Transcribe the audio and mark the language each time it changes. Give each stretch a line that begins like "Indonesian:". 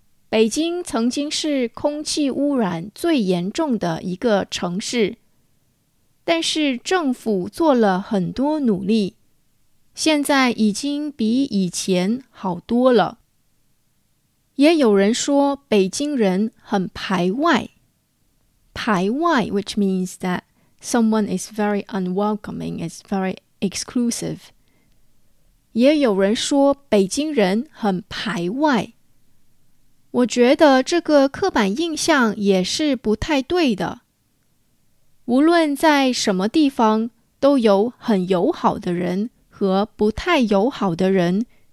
Chinese: 北京曾经是空气污染最严重的一个城市，但是政府做了很多努力，现在已经比以前好多了。也有人说北京人很排外。
English: 排外 which means that someone is very unwelcoming, is very exclusive。
Chinese: 也有人说北京人很排外。我觉得这个刻板印象也是不太对的。无论在什么地方，都有很友好的人和不太友好的人。